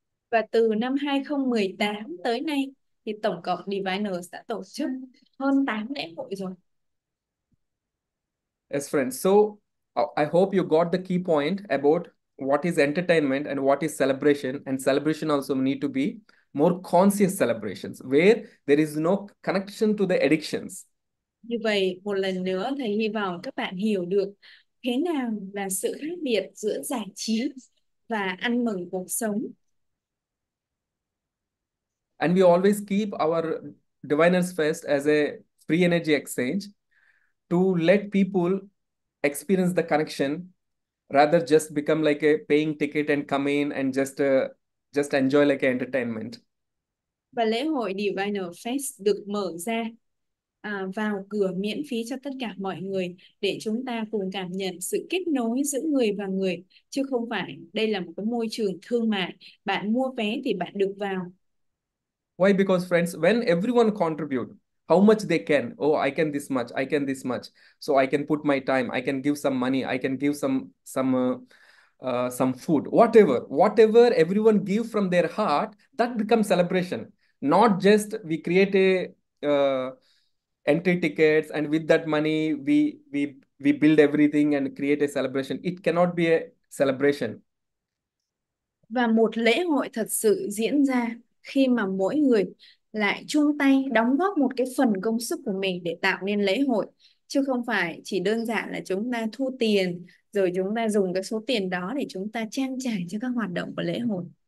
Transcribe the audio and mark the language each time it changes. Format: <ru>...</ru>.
<vi>Và từ năm 2018 tới nay thì tổng cộng Diviners đã tổ chức hơn 8 lễ hội rồi.</vi> <en>Yes, friends. So I hope you got the key point about what is entertainment and what is celebration, and celebration also need to be more conscious celebrations where there is no connection to the addictions.</en> <vi>Như vậy, một lần nữa thầy hy vọng các bạn hiểu được thế nào là sự khác biệt giữa giải trí và ăn mừng cuộc sống.</vi> <en>And we always keep our Diviners Fest as a free energy exchange to let people experience the connection rather just become like a paying ticket and come in and just enjoy like an entertainment.</en> <vi>Và lễ hội Diviner Fest được mở ra vào cửa miễn phí cho tất cả mọi người để chúng ta cùng cảm nhận sự kết nối giữa người và người, chứ không phải đây là một cái môi trường thương mại, bạn mua vé thì bạn được vào.</vi> <en>Why? Because friends, when everyone contribute how much they can, oh, I can this much, I can this much, so I can put my time, I can give some money, I can give some food, whatever everyone give from their heart, that becomes celebration, not just we create a entry tickets and with that money we build everything and create a celebration. It cannot be a celebration.</en> <vi>Và một lễ hội thật sự diễn ra khi mà mỗi người lại chung tay đóng góp một cái phần công sức của mình để tạo nên lễ hội, chứ không phải chỉ đơn giản là chúng ta thu tiền rồi chúng ta dùng cái số tiền đó để chúng ta trang trải cho các hoạt động của lễ hội.</vi>